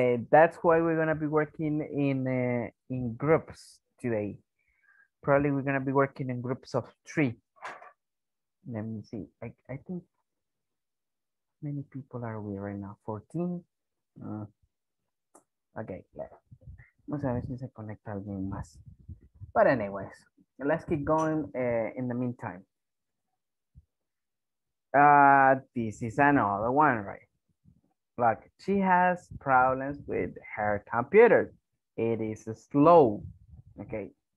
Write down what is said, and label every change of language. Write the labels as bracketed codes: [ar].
[en] That's why we're gonna be working in groups today. Probably we're gonna be working in groups of three. Let me see. I think many people are we right now? 14. Okay, yeah. [es] Vamos a ver si se conecta alguien más. [en] But anyways, let's keep going in the meantime. This is another one, right? Look, she has problems with her computer. It is slow. Okay.